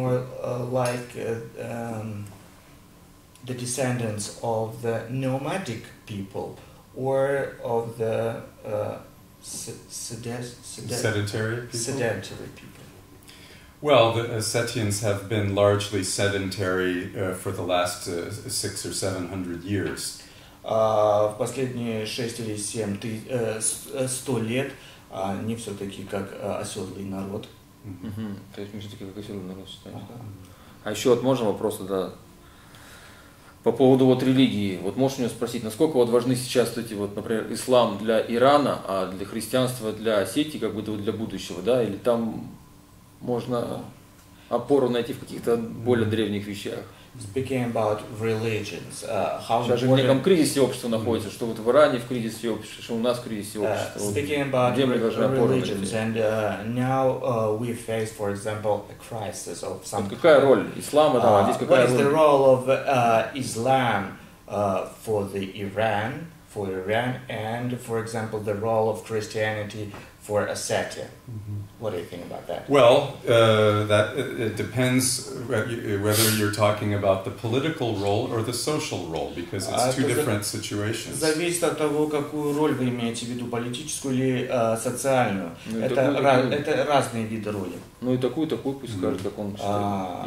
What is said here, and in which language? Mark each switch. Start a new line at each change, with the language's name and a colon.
English: They more like the descendants of the nomadic people or of the Sedentary people. Well, the Ossetians have been largely sedentary for the last 600 or 700 years.
Russian: В последние 6 или 7 100 лет они все-таки как оседлый народ. То есть мы все-таки как оседлый народ считаемся. А еще вот можно вопрос тогда по поводу вот религии. Вот можешь у него спросить, насколько вот важны сейчас эти вот, например, ислам для Ирана, а для христианства для Осетии, как бы вот для будущего, да? Или там можно опору найти в каких-то более древних вещах?
English: Speaking about religions, how
Russian: сейчас же в неком кризисе общества находится, что вот в Иране в кризисе общества, что у нас в кризисе общества. Где мы должны опору найти?
English: And now we face, for example, a crisis of some.
Russian: Вот какая роль ислама там? Здесь какая роль?
English: What is the role of Islam for the Iran, and for example the role of Christianity for Ossetia? What do you think about that? Well, that it depends whether you're talking about the political role or the social role, because it's two different situations.
Russian: Зависит от того, какую роль вы имеете в виду, политическую или социальную. Это разные виды роли. Ну и такую пусть скажет, как он считает.